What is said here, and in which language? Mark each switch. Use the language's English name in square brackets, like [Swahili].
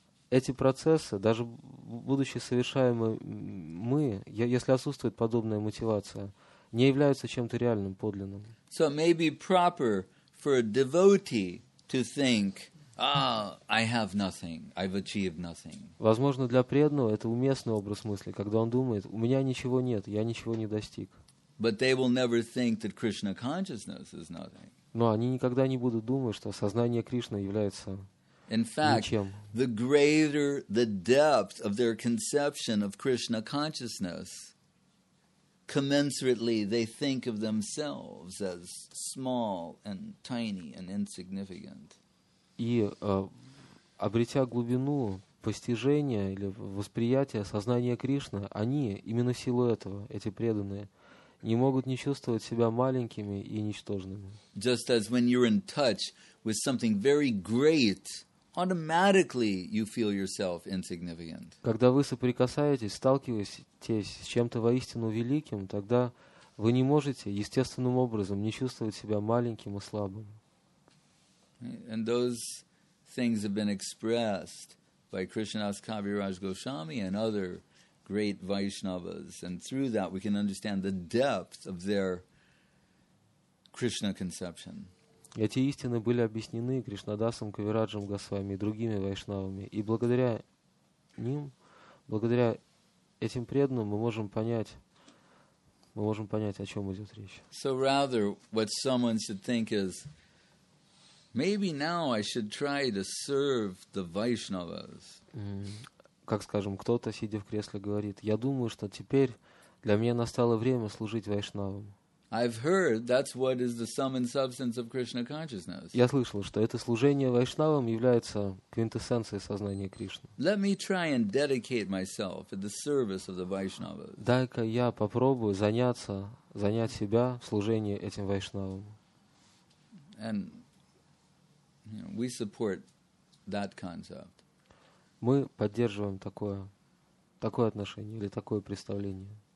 [Russian] эти процессы, даже будучи совершаемы мы, если отсутствует подобная мотивация, не являются чем-то реальным, подлинным. [English] So it may be proper for a devotee to think, ah, I have nothing, I've achieved nothing. [Russian] Возможно, для преданного это уместный образ мысли, когда он думает, у меня ничего нет, я ничего не достиг. [English] But they will never think that Krishna consciousness is nothing. [Russian] Но они никогда не будут думать, что сознание Кришны является ничем. [English] In fact, the greater the depth of their conception of Krishna consciousness, commensurately, they think of themselves as small and tiny and insignificant. [Russian] И обретя глубину постижения или восприятия сознания Кришны, они именно в силу этого, эти преданные, не могут не чувствовать себя маленькими и ничтожными. [English] Just as when you're in touch with something very great, automatically you feel yourself insignificant. [Russian] Когда вы соприкасаетесь, сталкиваетесь с чем-то воистину великим, тогда вы не можете естественным образом не чувствовать себя маленьким и слабым. [English] And those things have been expressed by Krishnadas Kaviraj Goswami and other great Vaishnavas, and through that we can understand the depth of their Krishna conception. [Russian] Эти истины были объяснены Кришнадасом Кавираджем Госвами и другими вайшнавами. И благодаря ним, благодаря этим преданным, мы можем понять, о чем идет речь. [English] So rather, what someone should think is, maybe now I should try to serve the Vaishnavas. [Russian] Как, скажем, кто-то, сидя в кресле, говорит, я думаю, что теперь для меня настало время служить вайшнавам. [English] I've heard that's what is the sum and substance of Krishna consciousness. [Russian] Я слышал, что это служение вайшнавам является квинтэссенцией сознания Кришны. [English] Let me try and dedicate myself to the service of the Vaishnavas. [Russian] Дай-ка я попробую заняться, занять себя в служении этим вайшнавам. [English] And you know, we support that concept. [Russian] Мы поддерживаем такое, такое отношение или такое представление.